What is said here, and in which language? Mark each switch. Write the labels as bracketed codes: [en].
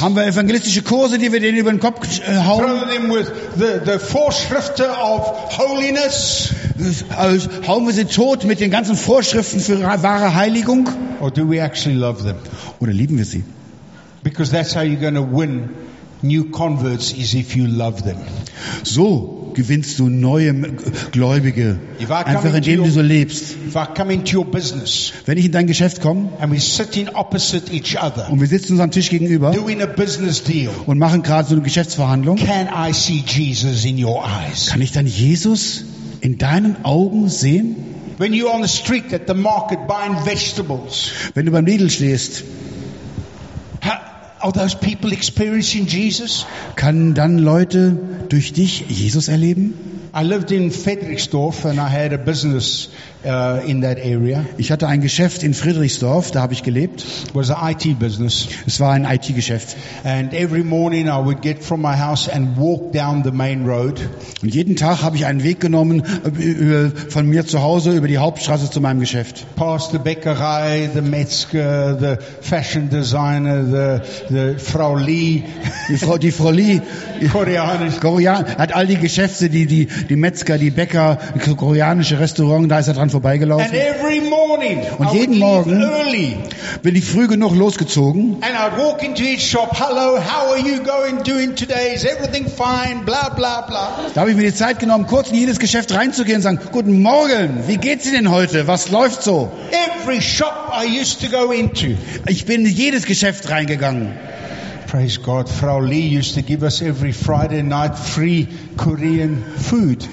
[de] Haben wir evangelistische Kurse, die wir denen über den Kopf hauen? [en] Throw them with the Vorschriften of holiness? [de] Hauen wir sie tot mit den ganzen Vorschriften für wahre Heiligung? [en] Or do we actually love them? [de] Oder lieben wir sie? [en] Because that's how you're going to win new converts, is if you love them. [de] So gewinnst du neue Gläubige, einfach indem du so lebst. [en] If I come into your business, [de] wenn ich in dein Geschäft komme, [en] and we're sitting opposite each other, [de] und wir sitzen uns am Tisch gegenüber, [en] doing a business deal, [de] und machen gerade so eine Geschäftsverhandlung, [en] can I see Jesus in your eyes? [de] Kann ich dann Jesus in deinen Augen sehen? [en] When you're on the street at the market buying vegetables, [de] wenn du beim Lidl stehst. [en] Are those people experiencing Jesus? [de] Kann dann Leute durch dich Jesus erleben? [en] I lived in Friedrichsdorf and I had a business in that area. [de] Ich hatte ein Geschäft in Friedrichsdorf, da habe ich gelebt. [en] It was an IT business. [de] Es war ein IT-Geschäft. [en] And every morning I would get from my house and walk down the main road. [de] Und jeden Tag habe ich einen Weg genommen von mir zu Hause über die Hauptstraße zu meinem Geschäft. [en] Past the Bäckerei, the Metzger, the fashion designer, the Frau Lee. [de] Die Frau Lee. Koreanisch. Hat all die Geschäfte, die Metzger, die Bäcker, koreanische Restaurant, da ist er dran vorbeigelaufen. [en] And every morning, [de] und jeden Morgen [en] early, [de] bin ich früh genug losgezogen. [en] And I'd walk into each shop. Hello, how are you going doing today? Is everything fine? Bla bla bla. [de] Da habe ich mir die Zeit genommen, kurz in jedes Geschäft reinzugehen und sagen: Guten Morgen, wie geht's Ihnen heute? Was läuft so? [en] Every shop I used to go into. [de] Ich bin in jedes Geschäft reingegangen. [en] Praise God, Frau Lee used to give us every Friday night free Korean food.